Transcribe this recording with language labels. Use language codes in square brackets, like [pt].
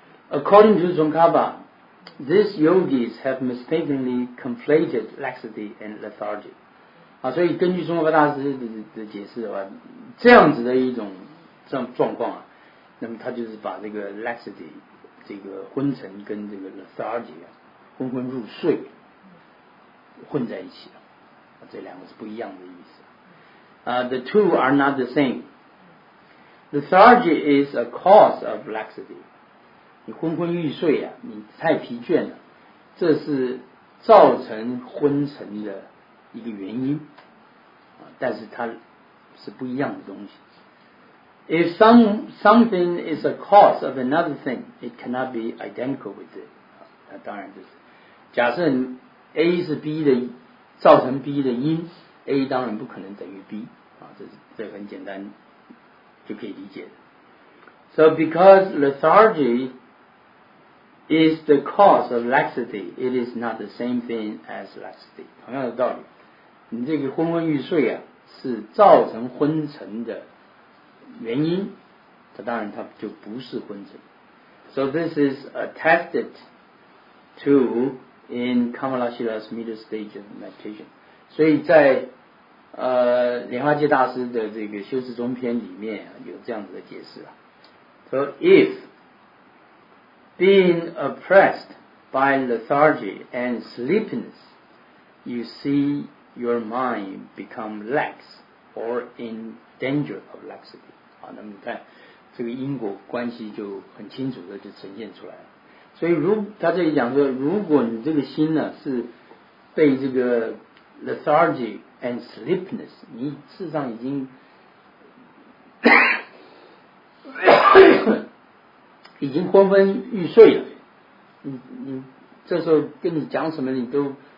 [en] According to Tsongkhapa, these yogis have mistakenly conflated laxity and lethargy. [zh] 啊，所以根据中国大师的解释的话，这样子的一种状况啊，那么他就是把这个 laxity 这个昏沉跟这个 lethargy 啊，昏昏入睡混在一起了，啊，这两个是不一样的意思。 [en] The two are not the same. Lethargy is a cause of laxity. [zh] 你昏昏欲睡啊，你太疲倦了，这是造成昏沉的一个原因，但是它是不一样的东西。 [en] If something is a cause of another thing, it cannot be identical with it. [zh] 当然就是，假设 A 是 B 的，造成 B 的因， A 当然不可能等于 B， 这很简单就可以理解的。 [en] So because lethargyis the cause of laxity, it is not the same thing as laxity. [zh] 同样的道理，你这个昏昏欲睡啊，是造成昏沉的原因，它当然它就不是昏沉。 [en] So this is attested to in Kamalashila's middle stage of meditation. [zh] 所以在莲花界大师的这个修持中篇里面啊，有这样子的解释啊。 [en] So if being oppressed by lethargy and sleepiness, you see your mind become lax or in danger of laxity. [zh] 好，那么你看这个因果关系就很清楚的就呈现出来了。所以他这里讲说，如果你这个心呢是被这个 [en] lethargy and sleepiness, [zh] 你事实上已经已经昏昏欲睡了，你这时候跟你讲什么你都